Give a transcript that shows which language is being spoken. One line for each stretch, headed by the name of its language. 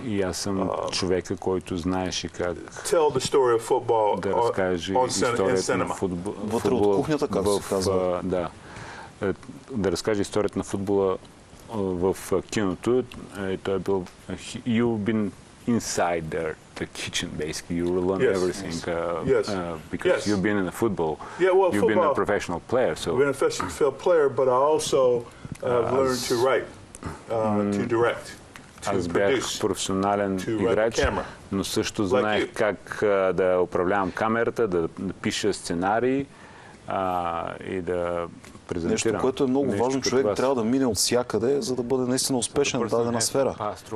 Bulgarian: и аз съм човека, който знаеше как
English: tell the story of football
Bulgarian: да разкаже историята на футбола в кухнята, както се казва. Да разкаже историята на футбола в киното. Той е бил
English: you've been inside there. The kitchen, basically. You learn everything because you've been in the football. Yeah, well, you've been a professional player. So. I've been a professional player, but I also have learned to write, to direct, to produce, to write the camera.
Bulgarian: Но също знаех как да управлявам камерата, да напиша сценарии и да презентирам. Нещо, което е много важно. Човек трябва да мине от всякъде, за да бъде наистина успешен в дадена сфера.